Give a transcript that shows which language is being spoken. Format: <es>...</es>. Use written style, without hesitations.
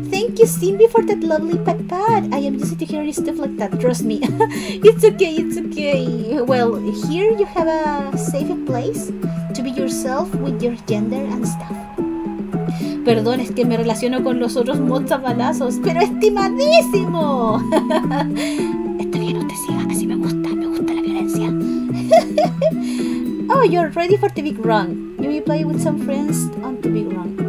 <en>Thank you, Simbi, for that lovely pat pat. I am used to hearing stuff like that, trust me. It's okay. Well, here you have a safe place to be yourself with your gender and stuff.</en> <es>Perdón, es que me relaciono con los otros mods a balazos, pero estimadísimo. Está bien, usted siga, así me gusta la violencia.</es> <en>Oh, you're ready for the big run. You will play with some friends on the big run.</en>